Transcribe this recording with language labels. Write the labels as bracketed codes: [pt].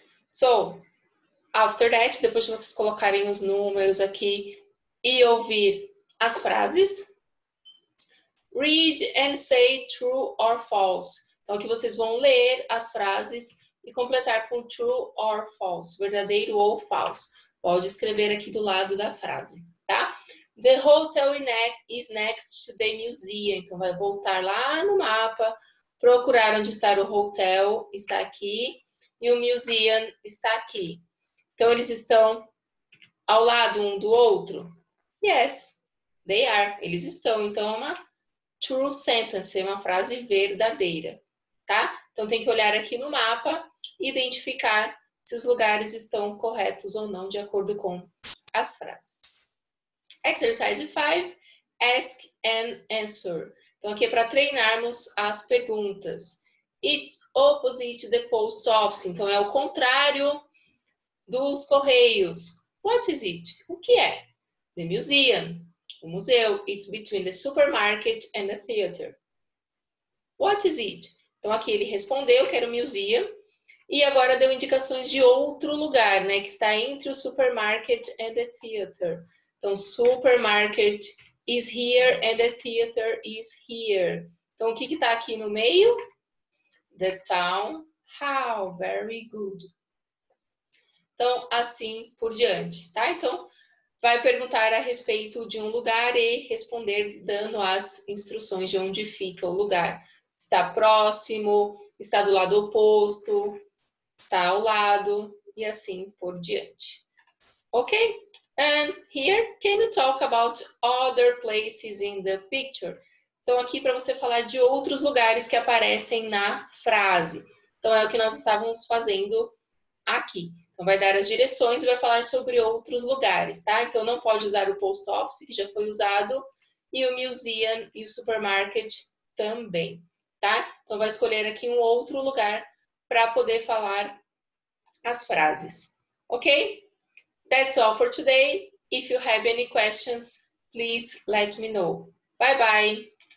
[en] So, after that, [pt] depois de vocês colocarem os números aqui e ouvir as frases, [en] read and say true or false. [pt] Então, aqui vocês vão ler as frases e completar com [en] true or false, [pt] verdadeiro ou falso. Pode escrever aqui do lado da frase, tá? [en] The hotel is next to the museum. [pt] Então, vai voltar lá no mapa, procurar onde está o hotel, está aqui, e o museum está aqui. Então, eles estão ao lado um do outro? [en] Yes, they are. [pt] Eles estão. Então, é uma [en] true sentence, [pt] é uma frase verdadeira, tá? Então, tem que olhar aqui no mapa e identificar se os lugares estão corretos ou não, de acordo com as frases. [en] Exercise 5, ask and answer. [pt] Então, aqui é para treinarmos as perguntas. [en] It's opposite the post office. [pt] Então, é o contrário dos correios. [en] What is it? [pt] O que é? [en] The museum, [pt] o museu. [en] It's between the supermarket and the theater. What is it? [pt] Então, aqui ele respondeu que era o museum. E agora deu indicações de outro lugar, né? Que está entre o [en] supermarket and the theater. Então, supermarket is here and the theater is here. [pt] Então, o que está aqui no meio? [en] The town hall. Very good. [pt] Então, assim por diante, tá? Então, vai perguntar a respeito de um lugar e responder dando as instruções de onde fica o lugar. Está próximo, está do lado oposto, está ao lado e assim por diante. Ok? [en] And here, can you talk about other places in the picture? [pt] Então, aqui para você falar de outros lugares que aparecem na frase. Então, é o que nós estávamos fazendo aqui. Então, vai dar as direções e vai falar sobre outros lugares, tá? Então, não pode usar o post office, que já foi usado, e o museum e o supermarket também, tá? Então, vai escolher aqui um outro lugar para poder falar as frases, ok? [en] That's all for today. If you have any questions, please let me know. Bye-bye!